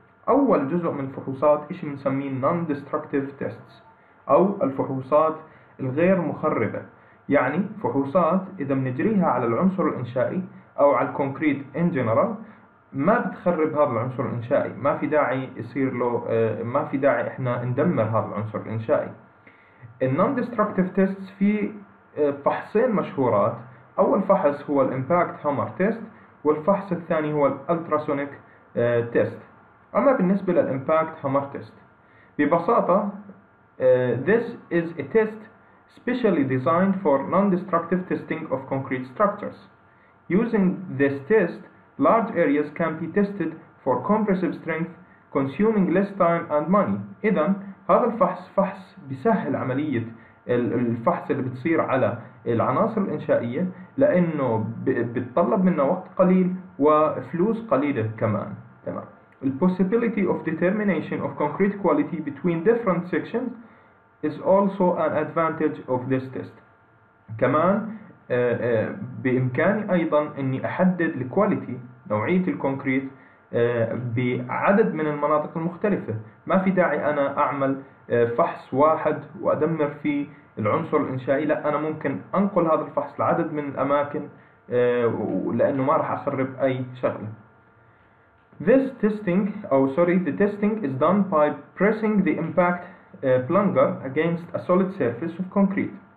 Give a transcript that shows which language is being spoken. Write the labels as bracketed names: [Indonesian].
[Arabic] أول جزء من الفحوصات إشي بنسميه non-destructive tests أو الفحوصات الغير مخربة، يعني فحوصات إذا بنجريها على العنصر الإنشائي أو على الكونكريت in general ما بتخرب هذا العنصر الإنشائي، ما في داعي يصير له، ما في داعي إحنا ندمر هذا العنصر الإنشائي. Non-destructive tests في فحصين مشهورات، أول فحص هو Impact Hammer test والفحص الثاني هو Ultrasonic test. أما بالنسبة لل [English] Impact Hammer test، [Arabic] ببساطة [English] this is a test specially designed for non-destructive testing of concrete structures. Using this test, large areas can be tested for compressive strength, consuming less time and money. [Arabic] إذا هذا الفحص فحص بيسهل عملية الفحص اللي بتصير على العناصر الإنشائية، لأنه بتطلب منا وقت قليل وفلوس قليلة كمان. تمام. [English] The possibility of determination of concrete quality between different sections is also an advantage of this test. [Arabic] كمان بإمكاني أيضا أني أحدد الكواليتي، نوعية الكونكريت بعدد من المناطق المختلفة. ما في داعي أنا أعمل فحص واحد وأدمر فيه العنصر الإنشائي، لا، أنا ممكن أنقل هذا الفحص لعدد من الأماكن لأنه ما رح أخرب أي شغلة. [English] The testing is done by pressing the impact plunger against a solid surface of concrete.